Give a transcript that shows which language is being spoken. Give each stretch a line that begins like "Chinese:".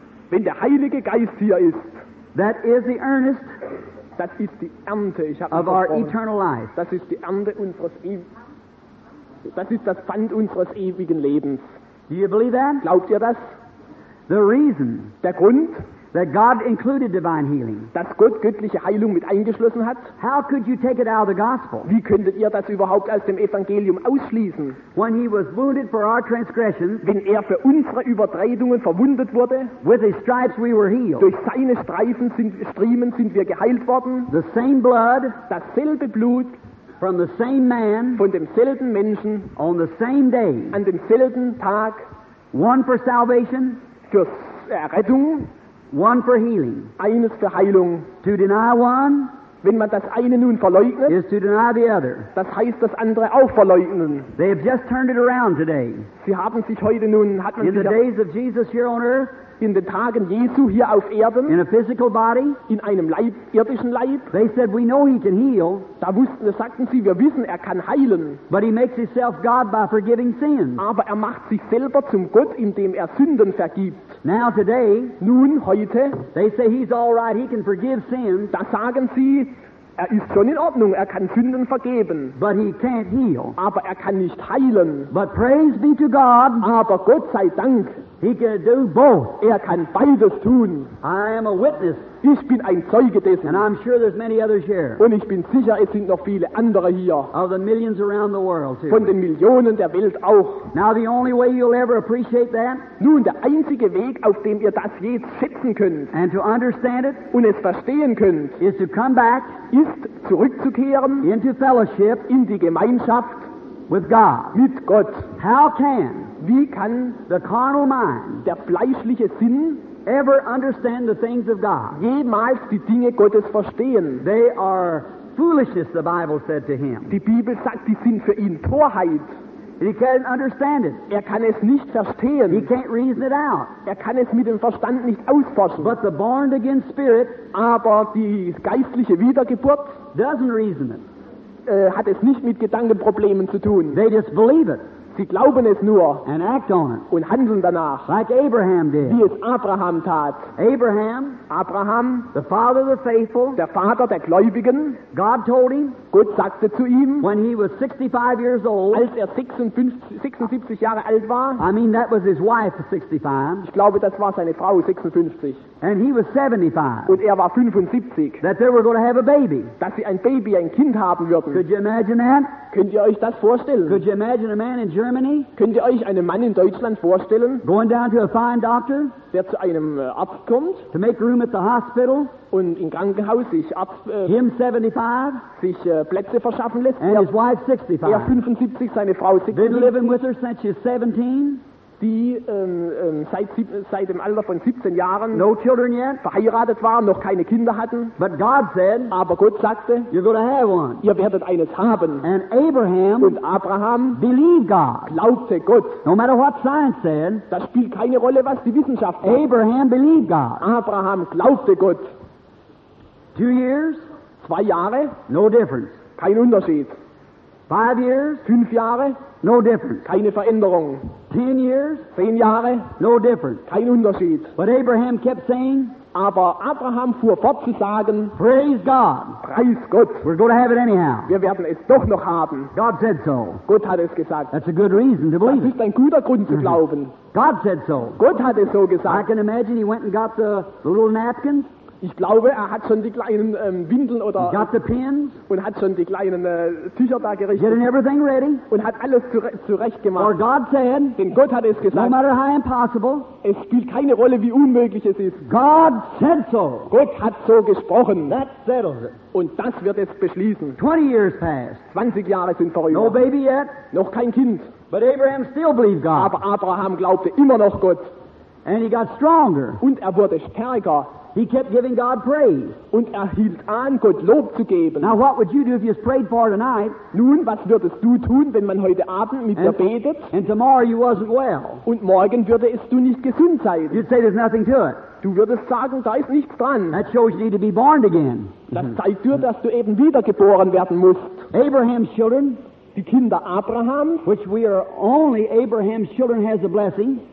German: wenn der Heilige Geist hier ist,
English: that is the earnest,
German: das ist die Ernte, ich habe
English: of our eternal life,
German: das ist die Ernte unseres das ist das Pfand unseres ewigen Lebens.
English: Do you believe that?
German: Glaubt ihr das?
English: The reason,
German: der Grund,
English: that God included divine healing,
German: dass Gott göttliche Heilung mit eingeschlossen hat.
English: How could you take it out of the gospel?
German: Wie könntet ihr das überhaupt aus dem Evangelium ausschließen?
English: When he was wounded for our transgressions,
German: wenn er für unsere Übertretungen verwundet wurde,
English: with his stripes we were healed.
German: Durch seine Striemen sind wir geheilt worden.
English: The same blood,
German: dasselbe Blut,
English: from the same man,
German: von demselben Menschen,
English: on the same day,
German: an demselben Tag,
English: one for salvation,
German: für Errettung,
English: one for healing,
German: eines für Heilung.
English: To deny one,
German: wenn man das eine nun verleugnet,
English: is to deny the other.
German: Das heißt, das andere auch verleugnen.
English: They have just turned it around today.
German: Sie haben sich heute nun, hat man
English: in the days of Jesus here on earth,
German: in den Tagen Jesu hier auf Erden,
English: in a physical body,
German: in einem Leib, irdischen Leib,
English: they said, we know he can heal,
German: da wussten, da sagten sie, wir wissen, er kann heilen,
English: but he makes himself God by forgiving sins.
German: Aber er macht sich selber zum Gott, indem er Sünden vergibt.
English: Now today,
German: nun heute,
English: they say he's all right, he can forgive sins,
German: da sagen sie, er ist schon in Ordnung, er kann Sünden vergeben,
English: but he can't heal,
German: aber er kann nicht heilen.
English: But praise be to God,
German: aber Gott sei Dank,
English: he can do both.
German: Er kann beides tun.
English: I am a witness.
German: Ich bin ein Zeuge dessen.
English: And I'm sure there's many others here.
German: Und ich bin sicher, es sind noch viele andere hier.
English: Of the millions around the world too.
German: Von den Millionen der Welt auch.
English: Now the only way you'll ever appreciate that.
German: Nun, der einzige Weg, auf dem ihr das jetzt schätzen könnt.
English: And to understand it.
German: Und es verstehen könnt.
English: Is to come back.
German: Ist zurückzukehren.
English: Into fellowship.
German: In die Gemeinschaft.
English: With God.
German: Mit Gott.
English: How can,
German: wie kann,
English: the carnal mind,
German: der fleischliche Sinn,
English: ever understand the things of God?
German: Jemals die Dinge Gottes verstehen?
English: They are foolishness, the Bible said to him.
German: Die Bibel sagt, die sind für ihn Torheit.
English: He can't understand it.
German: Er kann es nicht verstehen.
English: He can't reason it out.
German: Er kann es mit dem Verstand nicht ausforschen.
English: But the born again spirit,
German: aber die geistliche Wiedergeburt,
English: doesn't reason it.
German: Hat es nicht mit Gedankenproblemen zu tun.
English: They just believe it.
German: Sie glauben es nur
English: and act on it.
German: Und handeln danach.
English: Like Abraham did.
German: Wie es Abraham tat.
English: Abraham, the father of the faithful,
German: der Vater der Gläubigen.
English: God told him,
German: Gott sagte zu ihm,
English: when he was 65 years old,
German: als er 76 Jahre alt war.
English: I mean, that was his wife, 65.
German: Ich glaube, das war seine Frau, 56.
English: And he was 75.
German: Und er war 75.
English: That they were going to have a baby.
German: Dass sie ein Baby, ein Kind haben würden.
English: Could you imagine that?
German: Könnt ihr euch das vorstellen?
English: Could you imagine a man in Germany?
German: Könnt ihr euch einen Mann in Deutschland vorstellen?
English: Going down to a fine doctor?
German: Der zu einem Arzt kommt?
English: To make room at the hospital?
German: Und im Krankenhaus sich ab...
English: Him 75?
German: Sich Plätze verschaffen lässt.
English: And his wife 65.
German: Er 75, seine Frau 65.
English: Been living with her since she's 17?
German: Die seit dem Alter von 17 Jahren,
English: no children yet,
German: verheiratet waren, noch keine Kinder hatten.
English: But God said,
German: aber Gott sagte,
English: you're gonna have one.
German: Ihr werdet eines haben.
English: And Abraham,
German: und Abraham,
English: believed God,
German: glaubte Gott.
English: No matter what science said,
German: das spielt keine Rolle, was die Wissenschaft sagt.
English: Abraham believed God.
German: Abraham glaubte Gott.
English: 2 years,
German: 2 Jahre,
English: no difference,
German: kein Unterschied.
English: 5 years?
German: 5 Jahre?
English: No difference.
German: Keine Veränderung.
English: 10 years?
German: 10 Jahre?
English: No difference.
German: Kein Unterschied.
English: But Abraham kept saying,
German: aber Abraham fuhr fort zu sagen,
English: praise God.
German: Preis Gott.
English: We're going to have it anyhow.
German: Wir werden es doch noch haben.
English: God said so.
German: Gott hat es gesagt.
English: That's a good reason to believe.
German: Das ist ein guter Grund zu glauben.
English: God said so.
German: Gott hat es so gesagt.
English: I can imagine he went and got the little napkins.
German: Ich glaube, er hat schon die kleinen Windeln oder
English: got the pins,
German: und hat schon die kleinen Tücher da gerichtet.
English: Getting everything ready.
German: Und hat alles zurecht gemacht.
English: Or God said,
German: denn Gott hat es gesagt.
English: No matter how impossible,
German: es spielt keine Rolle, wie unmöglich es ist.
English: God said so.
German: Gott hat so gesprochen.
English: That settles it.
German: Und das wird es beschließen.
English: 20 years passed.
German: 20 Jahre sind vorüber.
English: No baby yet.
German: Noch kein Kind.
English: But Abraham still believed God.
German: Aber Abraham glaubte immer noch Gott.
English: And he got stronger.
German: Und er wurde stärker.
English: He kept giving God praise.
German: Und er hielt an, Gott Lob zu geben.
English: Now what would you do if you prayed for tonight?
German: Nun, was würdest du tun, wenn man heute Abend mit dir betet?
English: And tomorrow you wasn't well.
German: Und morgen würdest du nicht gesund sein.
English: You'd say there's nothing to it.
German: Du würdest sagen, da ist nichts dran.
English: That shows you need to be born again.
German: Das zeigt dir, dass du eben wiedergeboren werden musst.
English: Abraham's children,
German: die Kinder Abrahams,
English: which we are only Abraham's children has a blessing.